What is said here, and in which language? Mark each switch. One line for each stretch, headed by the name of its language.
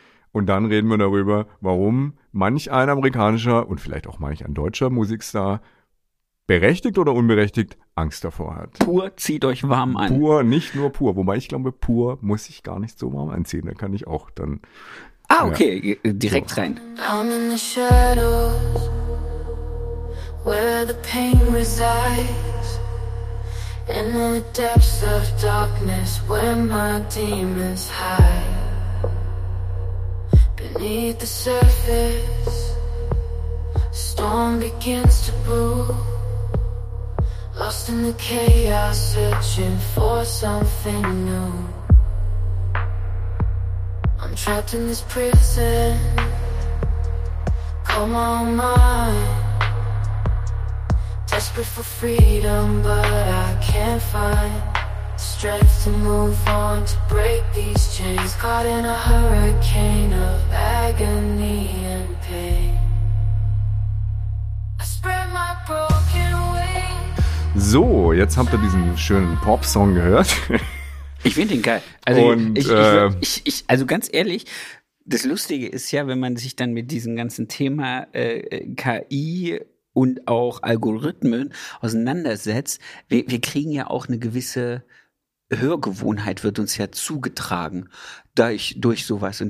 German: Und dann reden wir darüber, warum manch ein amerikanischer und vielleicht auch manch ein deutscher Musikstar berechtigt oder unberechtigt Angst davor hat. Pur zieht euch warm an. Pur, nicht nur pur. Wobei ich glaube, pur muss ich gar nicht so warm anziehen. Da kann ich auch dann. Ah, okay, direkt rein.
English: I'm in the shadows, where the pain resides. In the depths of darkness, where my demons hide. Beneath the surface, storm begins to brew. Lost in the chaos, searching for something new. I'm trapped in this prison. Call my mind. Desperate for freedom, but I can't find strength to move on, to break these chains. Caught in a hurricane of agony and pain. I spread my broken wings.
German: So, jetzt habt ihr diesen schönen Pop-Song gehört. Ich finde den geil. Also, Und ganz ehrlich, das Lustige ist ja, wenn man sich dann mit diesem ganzen Thema KI und auch Algorithmen auseinandersetzt, wir kriegen ja auch eine gewisse Hörgewohnheit, wird uns ja zugetragen durch sowas.